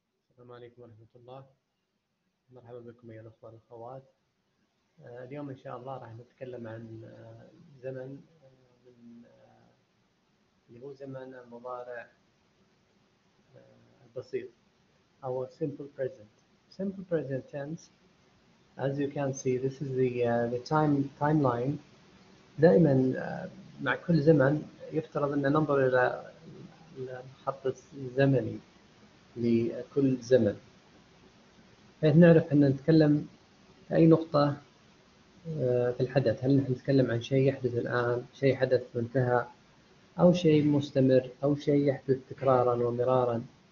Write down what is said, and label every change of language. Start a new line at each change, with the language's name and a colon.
Arabic: السلام عليكم ورحمة الله، مرحبا بكم أيها الأخوة والأخوات. اليوم إن شاء الله راح نتكلم عن زمن من اللي هو زمن المضارع البسيط أو simple present.
English: Simple present tense, as you can see, this is the timeline.
Arabic: دائما مع كل زمن يفترض أن ننظر إلى الخط الزمني لكل زمن، حيث نعرف أن نتكلم في أي نقطة في الحدث. هل نحن نتكلم عن شيء يحدث الآن، شيء حدث وانتهى، أو شيء مستمر، أو شيء يحدث تكرارا ومرارا.